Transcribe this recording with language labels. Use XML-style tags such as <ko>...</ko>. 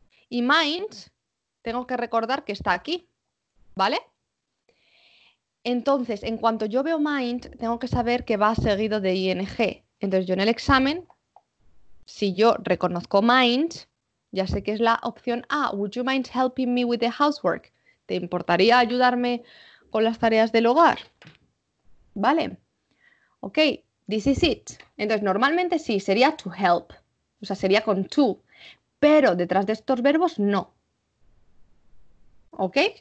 <es>Y mind, tengo que recordar que está aquí, ¿vale? Entonces, en cuanto yo veo mind, tengo que saber que va seguido de ing. Entonces, yo en el examen, si yo reconozco mind, ya sé que es la opción A.</es> <en>Would you mind helping me with the housework?</en> <es>¿Te importaría ayudarme con las tareas del hogar? ¿Vale?</es> <en>Ok, this is it.</en> <es>Entonces, normalmente sí, sería to help. O sea, sería con to, pero detrás de estos verbos no. ¿Ok?</es>